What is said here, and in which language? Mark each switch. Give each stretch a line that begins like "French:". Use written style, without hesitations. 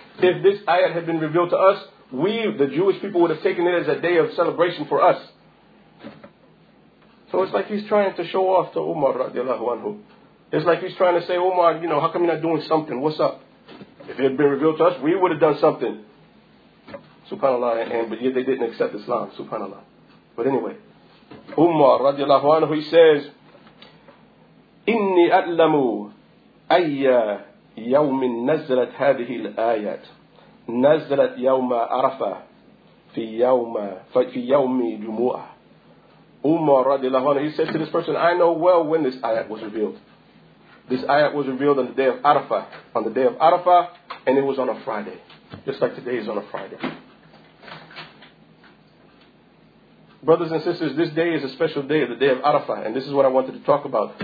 English: If this ayat had been revealed to us, we, the Jewish people, would have taken it as a day of celebration for us. So it's like he's trying to show off to Umar radiallahu anhu. It's like he's trying to say, Umar, you know, how come you're not doing something? What's up? If it had been revealed to us, we would have done something. SubhanAllah, but yet they didn't accept Islam. SubhanAllah. But anyway, Umar radiallahu anhu, he says,
Arabic: إِنِّي أَعْلَمُ أَيَّ يَوْمٍ نَزَّلَتْ هَذِهِ الْآيَةِ نَزَّلَتْ يَوْمَ عَرَفَةٍ فِي يَوْمِ جُمُوعَةٍ.
English: Umar radiallahu anhu, he said to this person, I know well when this ayat was revealed. This ayat was revealed on the day of Arafah. On the day of Arafah, and it was on a Friday. Just like today is on a Friday. Brothers and sisters, this day is a special day, the day of Arafah. And this is what I wanted to talk about.